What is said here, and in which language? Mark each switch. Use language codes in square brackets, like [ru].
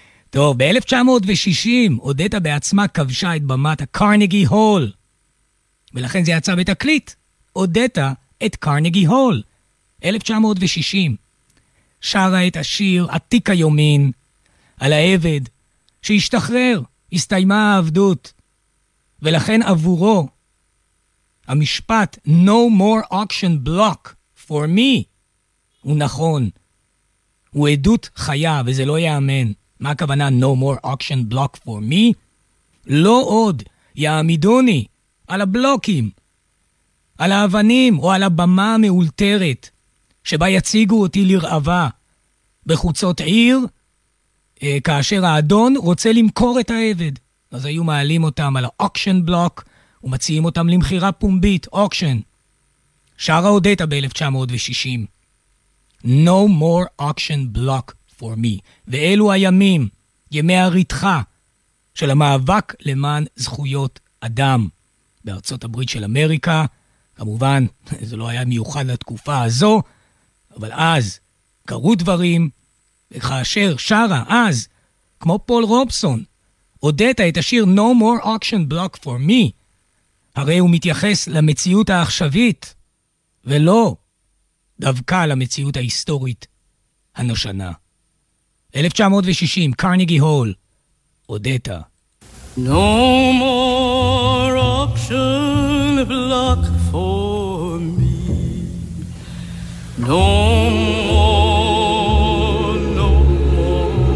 [he] טוב, ב-1960 אודטה בעצמה כבשה את במת הקרנגי הול. ולכן זה יצא בתקליט. אודטה את קרנגי הול. 1960. שרה את השיר עתיק היומין על העבד שהשתחרר, הסתיימה העבדות. ולכן עבורו המשפט [en] No more auction block for me [he] הוא נכון. הוא עדות חיה וזה לא יאמן. מה הכוונה [en] No more auction block for me? [he] לא עוד יעמידוני על הבלוקים, על האבנים או על הבמה המאולתרת שבה יציגו אותי לרעבה בחוצות עיר כאשר האדון רוצה למכור את העבד. אז היו מעלים אותם על auction block ומציעים אותם למחירה פומבית, אוקשן. שרה אודטה ב-1960. [en] No more auction block for me. [he] ואלו הימים, ימי הריתחה, של המאבק למען זכויות אדם. בארצות הברית של אמריקה, כמובן, זה לא היה מיוחד לתקופה הזו, אבל אז קרו דברים, וכאשר שרה אז, כמו פול רובסון, אודטה את השיר [en] No more auction block for me, [he] הרי הוא מתייחס למציאות העכשווית, ולא דווקא למציאות ההיסטורית הנושנה. 1960, קרניגי הול, אודטה. [en] No more auction block for me. No more, no more.